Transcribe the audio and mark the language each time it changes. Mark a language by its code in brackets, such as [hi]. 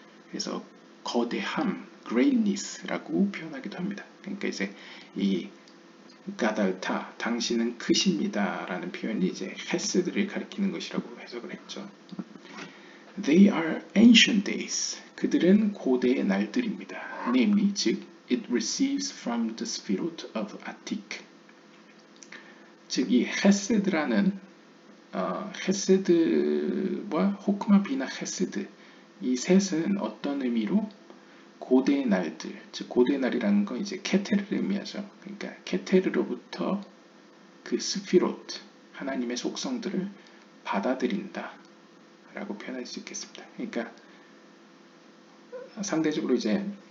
[ko] 그래서 거대함, greatness라고 표현하기도 합니다. 그러니까 이제 이 가달타, 당신은 크십니다라는 표현이 이제 헤세드를 가리키는 것이라고 해석을 했죠. [en] They are ancient days. [ko] 그들은 고대의 날들입니다. [en] Namely, [ko] 즉 [en] it receives from the spirit of Atik. [ko] 즉 이 헤세드라는 헤세드와 호크마 비나 헤세드, 이 셋은 어떤 의미로 고대의 날들, 즉 고대의 날이라는 건 이제 케테르를 의미하죠. 그러니까 케테르로부터 그 스피롯, 하나님의 속성들을 받아들인다 라고 표현할 수 있겠습니다. 그러니까 상대적으로 이제